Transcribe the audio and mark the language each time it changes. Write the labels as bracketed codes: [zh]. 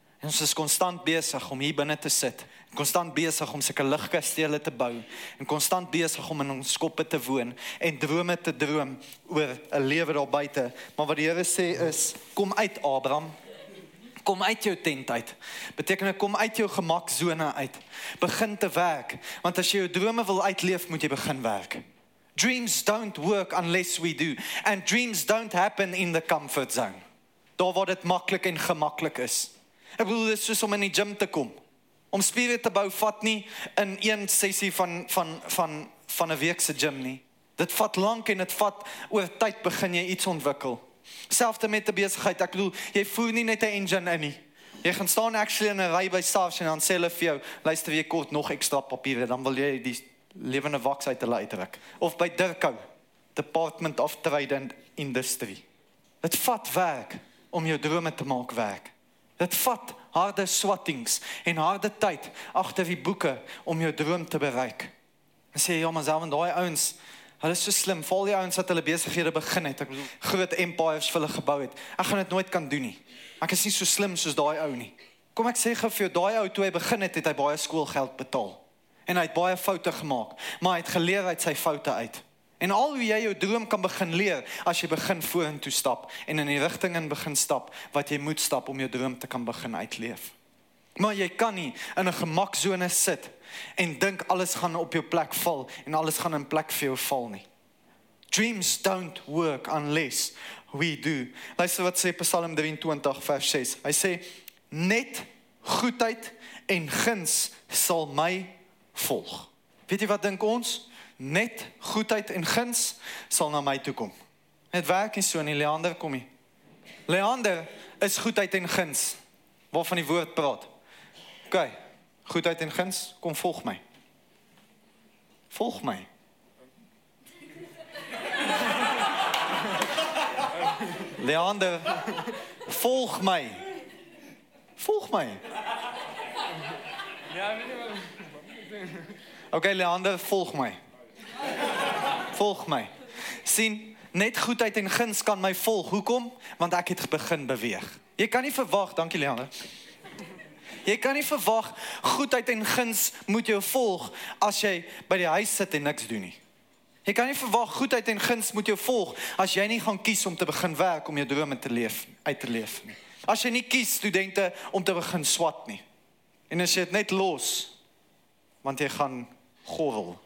[af] En ons is konstant besig om hier binne te sit, konstant besig om sulke ligkastele te bou en konstant besig om in ons koppe te woon en drome te droom oor 'n lewe daar buite. Maar wat die Here sê is, kom uit Abraham, kom uit jou tent uit. Beteken kom uit jou gemaksone uit. Begin te werk, want as jy jou drome wil uitleef, moet jy begin werk. [en] Dreams don't work unless we do and dreams don't happen in the comfort zone. [af] Daar waar dit maklik en gemaklik is. Ek bedoel, dit is soos om in die gym te kom. Om spiere te bou vat nie in een sessie van 'n week se gym nie. Dit vat lank en dit vat oor tyd begin jy iets ontwikkel. Selfde met 'n besigheid. Ek bedoel, jy voer nie net 'n engine in nie. Jy gaan staan actually in 'n ry by SARS en dan sê hulle vir jou, luister jy kort nog ekstra papiere, dan wil jy die lewende waks uit hulle uitruk. Of by Durco, Department of Trade and Industry. Dit vat werk om jou drome te maak werk. Dit vat harde swattings en harde tyd agter die boeke om jou droom te bereik. En sê, ja, maar selfs daai ouens, hulle is so slim, val die ouens wat hulle besighede begin het, ek bedoel, groot empires vir hulle gebou het, ek gaan dit nooit kan doen nie. Ek is nie so slim soos daai ou nie. Kom ek sê gou vir jou, daai ou toe hy begin het, het hy baie skoolgeld betaal. En hy het baie foute gemaak, maar hy het geleer uit sy foute uit. En al hoe jy jou droom kan begin leer, as jy begin vorentoe stap en in die rigting in begin stap, wat jy moet stap om jou droom te kan begin uitleef. Maar jy kan nie in 'n gemaksone sit en dink alles gaan op jou plek val en alles gaan in plek vir jou val nie. [en] Dreams don't work unless we do. [af] Luister wat sê Psalm 23 vers 6. Hy sê, net goedheid en guns sal my volg. Weet jy wat dink ons? Net goedheid en guns sal na my toe kom. Het werk nie so nie, Leander kom hier. Leander is goedheid en guns, waarvan die woord praat. Ok, goedheid en guns, kom volg my. Volg my. Leander, volg my. Volg my. Ok, Leander, volg my. Volg my. Sien, net goedheid en guns kan my volg. Hoekom? Want ek het begin beweeg. Jy kan nie verwag, dankie Leander. Jy kan nie verwag, goedheid en guns moet jou volg as jy by die huis sit en niks doen nie. Jy kan nie verwag, goedheid en guns moet jou volg as jy nie gaan kies om te begin werk om jou drome te leef, uit te leef nie. As jy nie kies studente om te begin swat nie. En as jy het net los, want jy gaan gorrel.